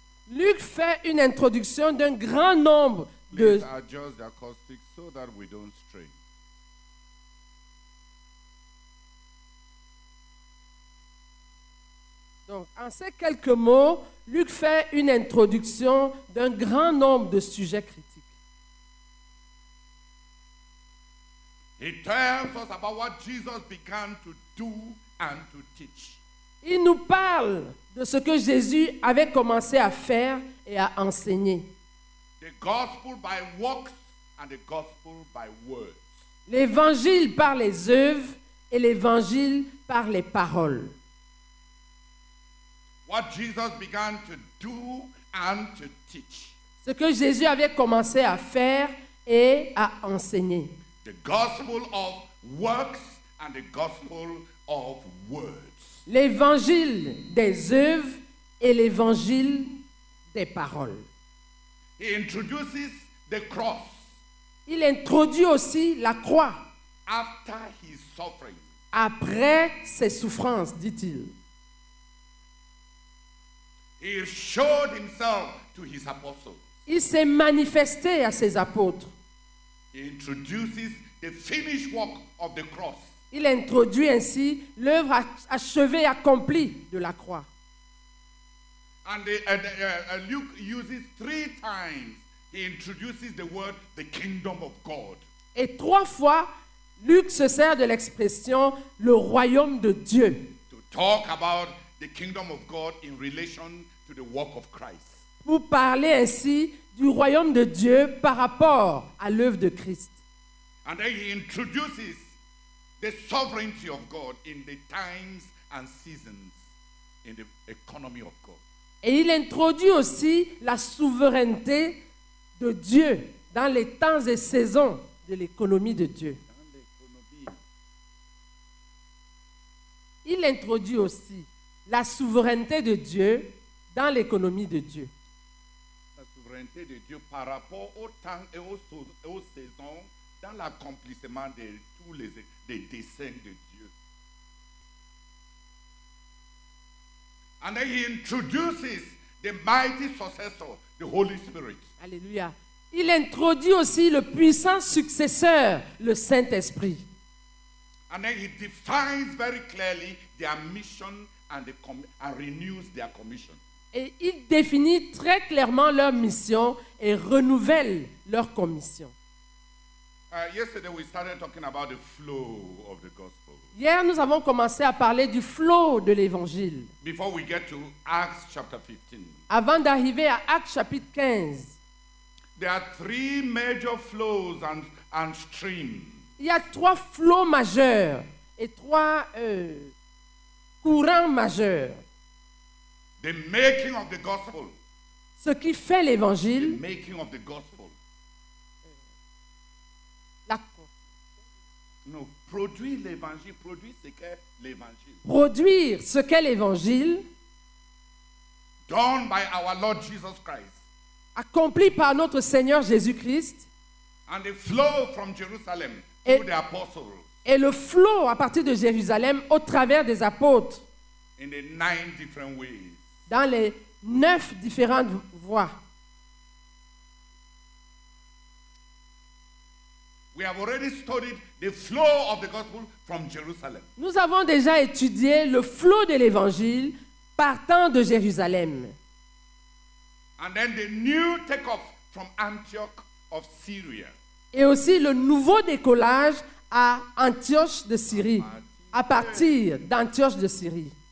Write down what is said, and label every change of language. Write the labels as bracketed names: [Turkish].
[French] Luke fait une introduction d'un grand nombre de. [English] Please adjust the acoustics so that we don't strain. [French] Donc, en ces quelques mots, Luke fait une introduction d'un grand nombre de sujets critiques. [English] He tells us about what Jesus began to do and to teach. [French] Il nous parle de ce que Jésus avait commencé à faire et à enseigner. [English] The gospel by works and the gospel by words. [French] L'évangile par les œuvres et l'évangile par les paroles. [English] What Jesus began to do and to teach. [French] Ce que Jésus avait commencé à faire et à enseigner. [English] The gospel of works and the gospel of words. [French] L'évangile des œuvres et l'évangile des paroles. [English] He introduces the cross. [French] Il introduit aussi la croix. [English] After his suffering. [French] Après ses souffrances, dit-il. [English] He showed himself to his apostles. [French] Il s'est manifesté à ses apôtres. [English] He introduces the finished work of the cross. [French] Il introduit ainsi l'œuvre achevée, accomplie de la croix. [English] And Luke uses three times he introduces the word the kingdom of God. [French] Et trois fois, Luke se sert de l'expression le royaume de Dieu. [English] To talk about the kingdom of God in relation to the work of Christ. [French] Pour parler ainsi du royaume de Dieu par rapport à l'œuvre de Christ. [English] And then he introduces the sovereignty of God in the times and seasons in the economy of God. [French] Et il introduit aussi la souveraineté de Dieu dans les temps et saisons de l'économie de Dieu. Il introduit aussi la souveraineté de Dieu dans l'économie de Dieu. La souveraineté de Dieu par rapport au temps et aux saisons dans l'accomplissement de tous les desseins de Dieu. [English] And then he introduces the mighty successor, the Holy Spirit. Alléluia. [French] Il introduit aussi le puissant successeur, le Saint-Esprit. [English] And then he defines very clearly their mission and renews their commission. [French] Et il définit très clairement leur mission et renouvelle leur commission. [English] Yesterday we started talking about the flow of the gospel. [French] Hier, nous avons commencé à parler du flot de l'Évangile. [English] Before we get to Acts chapter 15. [French] Avant d'arriver à Actes chapitre 15. [English] There are three major flows and streams. [French] Il y a trois flots majeurs et trois courants majeurs. [English] The making of the gospel. [French] Ce qui fait l'Évangile. [English] The making of the gospel. [French] Non. Produire l'évangile, produire ce qu'est l'évangile. Produire ce qu'est l'évangile. [English] Done by our Lord Jesus Christ. [French] Accompli par notre Seigneur Jésus Christ. [English] And the flow from Jerusalem through the apostles. [French] Et le flot à partir de Jérusalem au travers des apôtres. [English] In the nine different ways. [French] Dans les neuf différentes voies. [English] We have already studied the flow of the gospel from Jerusalem. [French] Nous avons déjà étudié le flot de l'évangile partant de Jérusalem. [English] And then the new takeoff from Antioch of Syria. [French] Et aussi le nouveau décollage à Antioche de Syrie, à partir d'Antioche de Syrie.